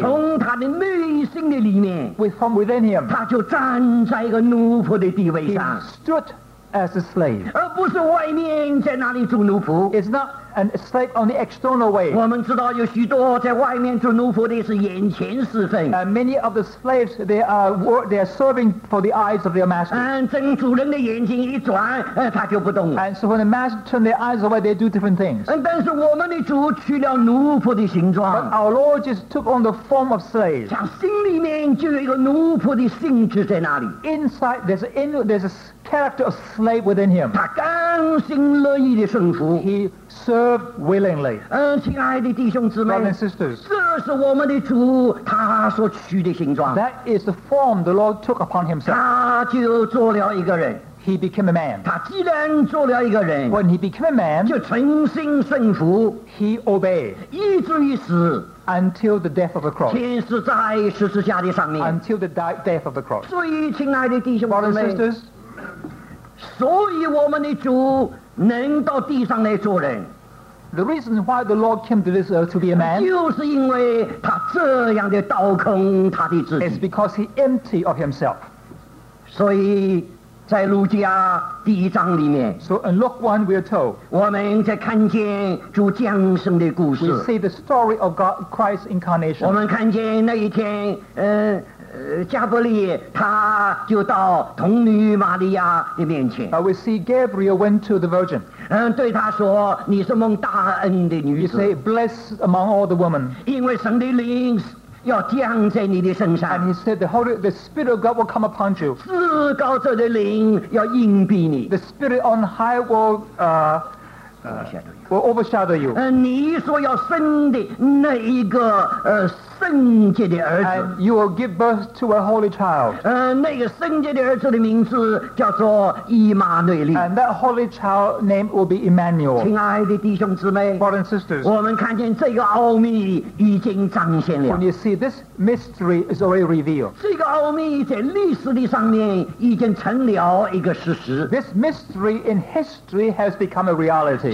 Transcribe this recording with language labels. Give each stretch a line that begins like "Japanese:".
Chinese: 从他的内心的里面。
English: From within him.
Chinese: 他就站在一个奴仆的地位上。
English: He stood as a slave.
Chinese: 而不是外面在那里做奴仆。
English: It's not. And slave on the external way.
Chinese: 我们知道有许多在外面做奴仆的是眼前是非。
English: And many of the slaves they are serving for the eyes of their master.
Chinese: 正主人的眼睛一转，他就不动了。
English: And so when the master turns their eyes away, they do different things.
Chinese: 但是我们的主取了奴仆的形状。
English: But our Lord just took on the form of slaves.
Chinese: 他心里面就有一个奴仆的性质在那里。
English: Inside there's a character of slave within him.
Chinese: 他甘心乐意的顺服。
English: Serve willingly.
Chinese: 亲爱的弟兄姊妹
English: Brothers and sisters,
Chinese: 这是我们的主他所取的形状。
English: That is the form the Lord took upon himself.
Chinese: 他就做了一个人。
English: He became a man.
Chinese: 他既然做了一个人。
English: When he became a man,
Chinese: 就诚心顺服。
English: He obeyed.
Chinese: 以至于死。
English: Until the death of the cross.
Chinese: 钉死在十字架的上面。
English: Until the death of the cross.
Chinese: 所以亲爱的弟兄姊妹
English: Brothers and sisters,
Chinese: 所以我们的主能到地上来做人
English: The reason why the Lord came to this earth to be a man
Chinese: 就是因为他这样的倒空他的自己
English: It's because he emptied of himself
Chinese: 所以在路加第一章里面
English: So in Luke 1 we are told
Chinese: 我们在看见主降生的故事
English: We see the story of God, Christ's incarnation
Chinese: 我们看见那一天加伯利他就到童女玛利亚的面前。
English: We see Gabriel went to the virgin.
Chinese: 对他说，你是蒙大恩的女子。
English: He said, blessed among all the women.
Chinese: 因为神的灵要降在你的身上。
English: And he said, the Spirit of God will come upon you.
Chinese: 至高者的灵要荫庇你。
English: The Spirit on high will will overshadow you.
Chinese: 你所要生的那一个圣洁的儿子,
English: and you will give birth to a holy child.
Chinese: 那个圣洁的儿子的名字叫做以马内利,
English: and that holy child name will be Emmanuel.
Chinese: 亲爱的弟兄姊妹,
English: brothers and sisters,
Chinese: 我们看见这个奥秘已经彰显了。
English: When you see this mystery is already revealed.
Chinese: 这个奥秘在历史的上面已经成了一个事实。
English: This mystery in history has become a reality.